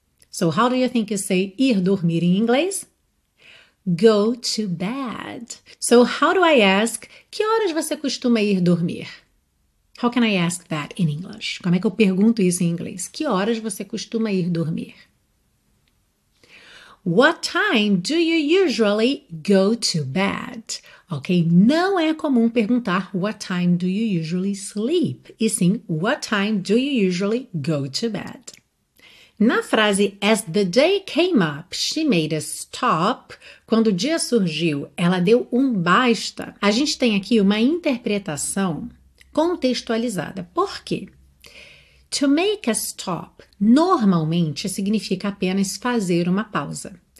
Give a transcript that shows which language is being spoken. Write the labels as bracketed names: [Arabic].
[English] So, how do you think you say [Portuguese] ir dormir em inglês? [English] Go to bed. So, how do I ask [Portuguese] que horas você costuma ir dormir? [English] How can I ask that in English? [Portuguese] Como é que eu pergunto isso em inglês? Que horas você costuma ir dormir? [English] What time do you usually go to bed? Ok, [Portuguese] não é comum perguntar [English] what time do you usually sleep? [Portuguese] E sim, [English] what time do you usually go to bed? [Portuguese] Na frase [English] as the day came up, she made a stop. [Portuguese] Quando o dia surgiu, ela deu um basta. A gente tem aqui uma interpretação contextualizada. Por quê? [English] To make a stop [Portuguese] normalmente significa apenas fazer uma pausa.